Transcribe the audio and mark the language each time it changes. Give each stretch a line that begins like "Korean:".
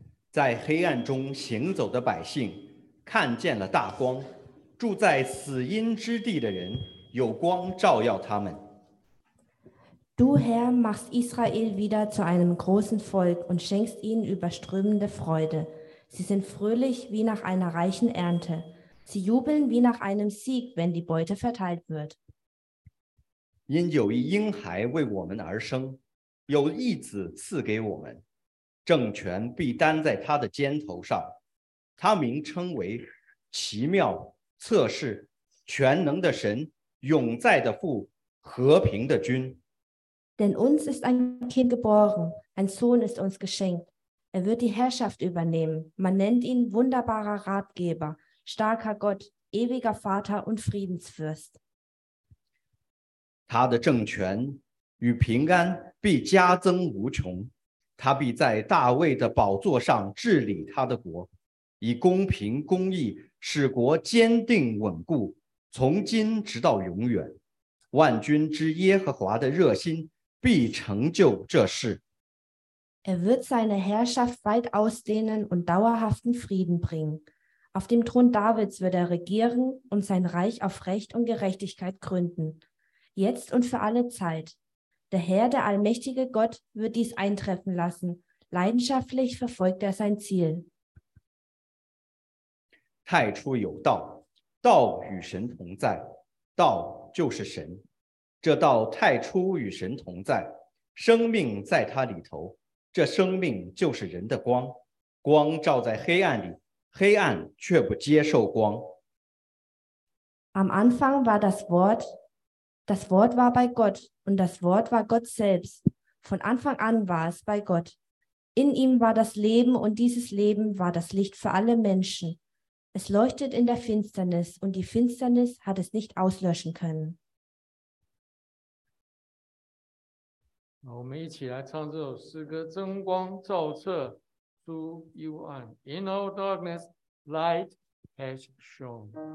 Chinese: 在黑暗中行走的百姓看见了大光，住在死荫之地的人有光照耀他们。
German: Du Herr machst Israel wieder zu einem großen Volk und schenkst ihnen überströmende Freude. Sie sind fröhlich wie nach einer reichen Ernte. Sie jubeln wie nach einem Sieg, wenn die Beute verteilt wird.
Chinese: 因有一婴孩为我们而生，有一子赐给我们，政权必担在他的肩头上，他名称为奇妙、策士、全能的神、永在的父、和平的君。
German: Denn uns ist ein Kind geboren, ein Sohn ist uns geschenkt. Er wird die Herrschaft übernehmen. Man nennt ihn wunderbarer Ratgeber, starker Gott, ewiger Vater und Friedensfürst.
Chinese: 他的政权与平安必加增无穷。他必在大卫的宝座上治理他的国，以公平公义使国坚定稳固，从今直到永远。万军之耶和华的热心必成就这事。
German: Er wird seine Herrschaft weit ausdehnen und dauerhaften Frieden bringen. Auf dem Thron Davids wird er regieren und sein Reich auf Recht und Gerechtigkeit gründen. Jetzt und für alle Zeit. Der Herr, der allmächtige Gott, wird dies eintreffen lassen. Leidenschaftlich verfolgt er sein Ziel.
Chinese: 太初有道，道与神同在，道就是神。这道太初与神同在，生命在他里头，这生命就是人的光，光照在黑暗里，黑暗却不接受光。
German: Am Anfang war das Wort, das Wort war bei Gott und das Wort war Gott selbst. Von Anfang an war es bei Gott. In ihm war das Leben und dieses Leben war das Licht für alle Menschen. Es leuchtet in der Finsternis und die Finsternis hat es nicht auslöschen können.
Chinese: 我们一起来唱这首诗歌，真光照彻诸幽暗。
English: In all darkness, light has shone.